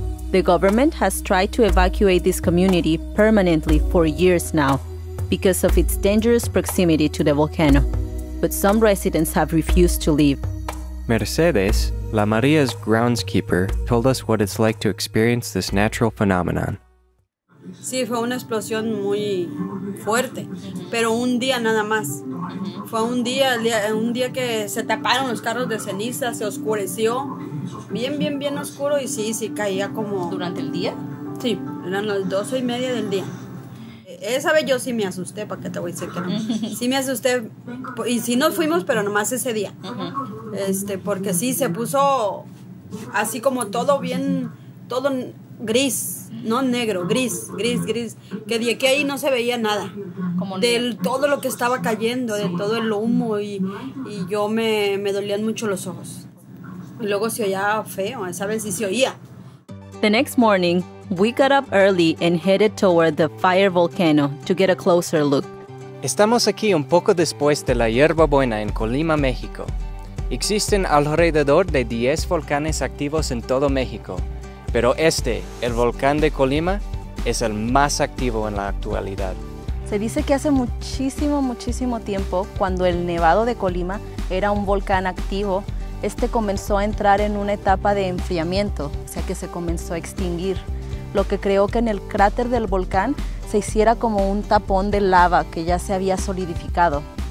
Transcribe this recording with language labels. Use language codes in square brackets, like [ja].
[en] The government has tried to evacuate this community permanently for years now because of its dangerous proximity to the volcano. But some residents have refused to leave. Mercedes, La María's groundskeeper, told us what it's like to experience this natural phenomenon. [es] Sí, fue una explosión muy fuerte, pero un día nada más. Fue un día que se taparon los carros de ceniza, se oscureció, bien, bien, bien oscuro, y sí, sí, caía como... ¿Durante el día? Sí, eran las 12:30 del día. Esa vez yo sí me asusté, ¿para qué te voy a decir que no? Sí me asusté, y sí nos fuimos, pero nomás ese día. Porque sí, se puso así como todo bien, todo gris, no negro, gris. Que de aquí a ahí no se veía nada. Como del todo lo que estaba cayendo, de todo el humo, y yo me dolían mucho los ojos. Y luego se oía feo, esa vez sí se oía. [en] The next morning, we got up early and headed toward the fire volcano to get a closer look. [es] Estamos aquí un poco después de la Hierbabuena en Colima, México. Existen alrededor de 10 volcanes activos en todo México, pero este, el volcán de Colima, es el más activo en la actualidad. Se dice que hace muchísimo, muchísimo tiempo, cuando el Nevado de Colima era un volcán activo, este comenzó a entrar en una etapa de enfriamiento, o sea que se comenzó a extinguir, lo que creó que en el cráter del volcán se hiciera como un tapón de lava que ya se había solidificado.